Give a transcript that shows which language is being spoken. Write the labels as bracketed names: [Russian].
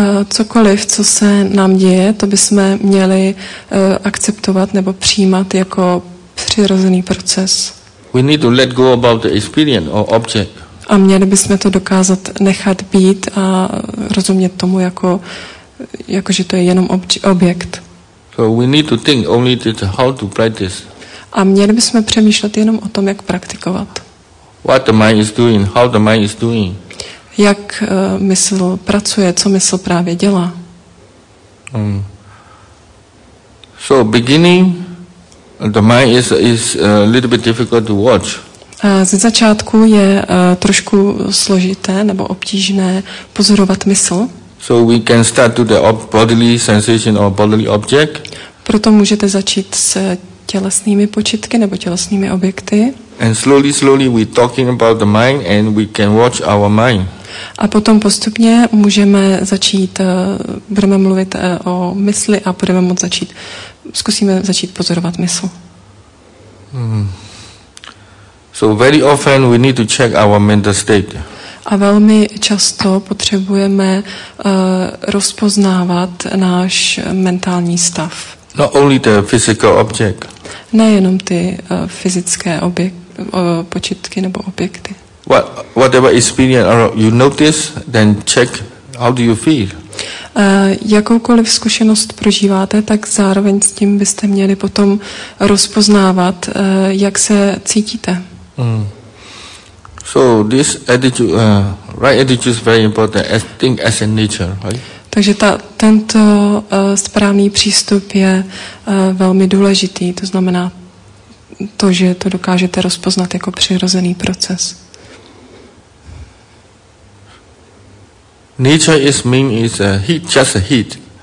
[Czech] Cokoliv, co se nám děje, to bychom měli akceptovat nebo přijímat jako přirozený proces. [English] We need to let go about the experience or object. [Czech] A měli bychom to dokázat nechat být a rozumět tomu jako že to je jenom objekt. [English] So we need to think only that how to practice. [Czech] A měli bychom přemýšlet jenom o tom, jak praktikovat. [English] What the mind is doing, how the mind is doing. [Czech] Jak mysl pracuje, co mysl právě dělá. [English] So beginning the mind is a little bit difficult to watch. [Czech] Ze začátku je trošku složité nebo obtížné pozorovat mysl. [English] So we can start to the bodily sensation or bodily object. [Czech] Proto můžete začít s tělesnými počítky nebo tělesnými objekty. [English] And slowly we talking about the mind and we can watch our mind. [Czech] A potom postupně můžeme začít, budeme mluvit o mysli a budeme moct začít, zkusíme začít pozorovat mysl. [English] So very often we need to check our mental state. [Czech] A velmi často potřebujeme rozpoznávat náš mentální stav. [English] Not only the physical object. [Czech] Nejenom ty fyzické počítky nebo objekty. [English] Whatever experience you notice, then check how do you feel. [Czech] Jakoukoliv zkušenost prožíváte, tak zároveň s tím byste měli potom rozpoznávat, jak se cítíte. [English] So this attitude, right attitude is very important. I think as a nature, right? [Czech] Takže tento správný přístup je velmi důležitý. To znamená to, že to dokážete rozpoznat jako přirozený proces. [English] Nature is mean is a heat, just a heat.